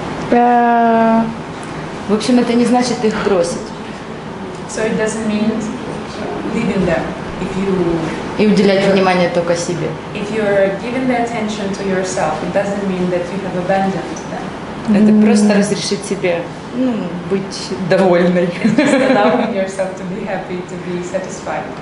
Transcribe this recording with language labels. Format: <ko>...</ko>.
<ru>В общем, это не значит их бросить.</ru> <en>So it doesn't mean leaving them if you</en> <ru>и уделять внимание только себе.</ru> <en>If you are giving the attention to yourself, it doesn't mean that you have abandoned them. Mm.</en> <ru>Это просто разрешить себе, ну, быть довольной.</ru> <en>It's just allowing yourself to be happy, to be satisfied.</en>